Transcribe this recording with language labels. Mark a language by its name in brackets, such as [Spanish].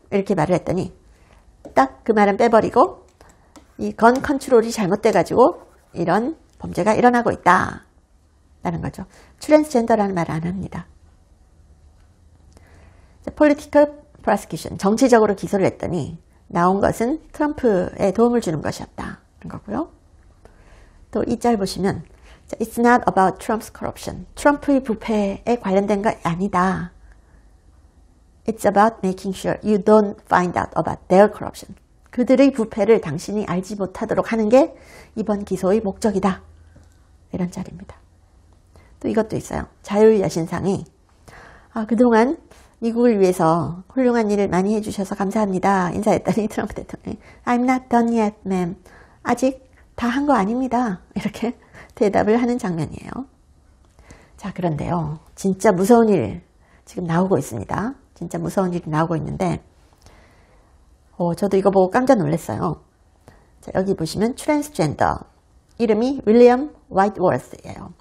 [Korean] 이렇게 말을 했더니 딱 그 말은 빼버리고 이 건 컨트롤이 잘못돼가지고 이런 범죄가 일어나고 있다. 라는 거죠. 트랜스젠더라는 말을 안 합니다. Political prosecution, 정치적으로 기소를 했더니 나온 것은 트럼프에 도움을 주는 것이었다. 그런 거고요. [English] 또 이 짤 보시면 It's not about Trump's corruption. [Korean] 트럼프의 부패에 관련된 것이 아니다. [English] It's about making sure you don't find out about their corruption. [Korean] 그들의 부패를 당신이 알지 못하도록 하는 게 이번 기소의 목적이다. 이런 짤입니다. 또 이것도 있어요. 자유의 여신상이 그동안 미국을 위해서 훌륭한 일을 많이 해주셔서 감사합니다. [English] 인사했더니 트럼프 대통령이 I'm not done yet, ma'am. [Korean] 아직 다 한 거 아닙니다. 이렇게 대답을 하는 장면이에요. 자, 그런데요. 진짜 무서운 일 지금 나오고 있습니다. 진짜 무서운 일이 나오고 있는데 저도 이거 보고 깜짝 놀랐어요. 자, 여기 보시면 트랜스젠더 이름이 윌리엄 화이트워스예요.